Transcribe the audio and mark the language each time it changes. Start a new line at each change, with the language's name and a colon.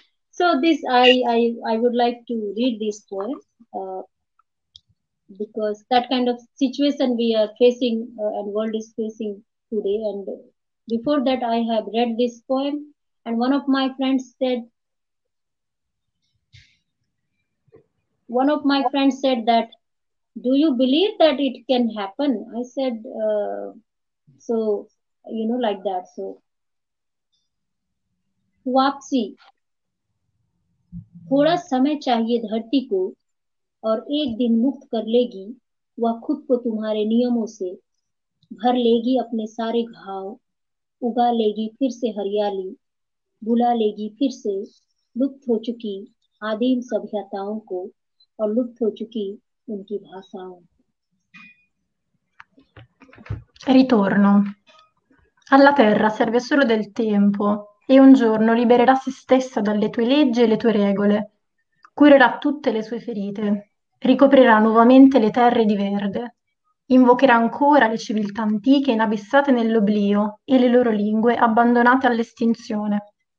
English: So this I would like to read this poem because that kind of situation we are facing and world is facing today. And before that, I have read this poem, and one of my friends said, that, do you believe that it can happen? I said, so, you know, like that.
Hindi: So, Vapsi, थोड़ा समय चाहिए धरती को, और एक दिन मुक्त कर लेगी वह खुद को तुम्हारे नियमों से, भर लेगी अपने सारे घाव, उगा लेगी फिर से हरियाली, बुला लेगी फिर से लुप्त हो चुकी आदिम सभ्यताओं को, और लुप्त हो चुकी उनकी भाषाओं।
Italian: Ritorno. Alla terra serve solo del tempo, e un giorno libererà se stessa dalle tue leggi e le tue regole, curerà tutte le sue ferite, ricoprirà nuovamente le terre di verde. Invocherà ancora le civiltà antiche inabissate nell'oblio e le loro lingue abbandonate all'estinzione.